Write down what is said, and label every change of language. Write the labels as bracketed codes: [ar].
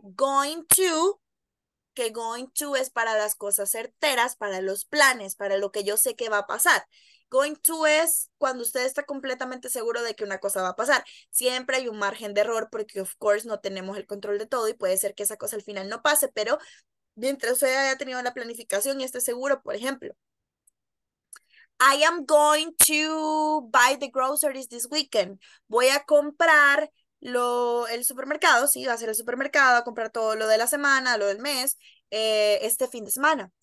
[es] Going to, que going to es para las cosas certeras, para los planes, para lo que yo sé que va a pasar. Going to es cuando usted está completamente seguro de que una cosa va a pasar. Siempre hay un margen de error porque, [en] of course, [es] no tenemos el control de todo y puede ser que esa cosa al final no pase, pero mientras usted haya tenido la planificación y esté seguro, por ejemplo. [en] I am going to buy the groceries this weekend. [es] Voy a comprar el supermercado, sí, va a ser el supermercado, a comprar todo lo de la semana, lo del mes, este fin de semana.